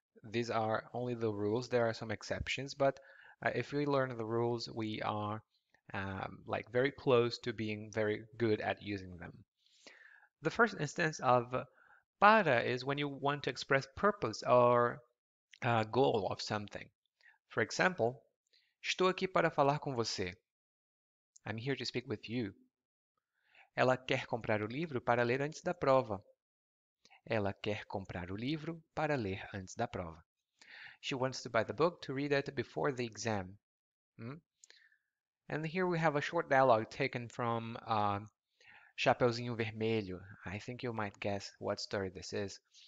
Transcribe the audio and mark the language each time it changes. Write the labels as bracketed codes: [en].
[en] These are only the rules. There are some exceptions, but if we learn the rules, we are like very close to being very good at using them. The first instance of para is when you want to express purpose or goal of something. For example, [pt] estou aqui para falar com você. [en] I'm here to speak with you. [pt] Ela quer comprar o livro para ler antes da prova. Ela quer comprar o livro para ler antes da prova. [en] She wants to buy the book to read it before the exam. And here we have a short dialogue taken from Chapeuzinho Vermelho. I think you might guess what story this is.